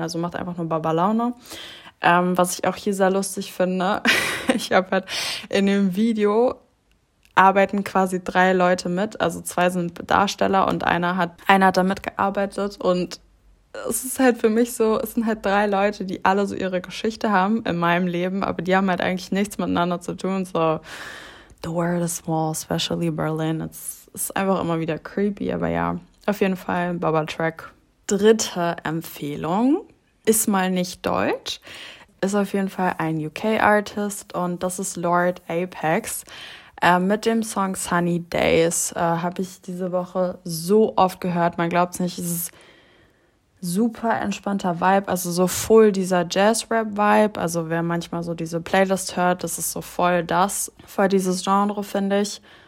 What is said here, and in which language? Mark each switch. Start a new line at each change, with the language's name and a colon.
German: Also macht einfach nur Baba-Laune. Was ich auch hier sehr lustig finde, ich habe halt in dem Video arbeiten quasi drei Leute mit. Also zwei sind Darsteller und einer hat da mitgearbeitet. Und es ist halt für mich so, es sind halt drei Leute, die alle so ihre Geschichte haben in meinem Leben, aber die haben halt eigentlich nichts miteinander zu tun.
English: So, the world is small, especially Berlin.
German: Es ist einfach immer wieder creepy, aber ja, auf jeden Fall Bubble-Track. Dritte Empfehlung. Ist mal nicht deutsch, ist auf jeden Fall ein UK-Artist und das ist Lord Apex. Mit dem Song Sunny Days habe ich diese Woche so oft gehört, man glaubt es nicht, es ist super entspannter Vibe, also so voll dieser Jazz-Rap-Vibe, also wer manchmal so diese Playlist hört, das ist so voll das, voll dieses Genre, finde ich.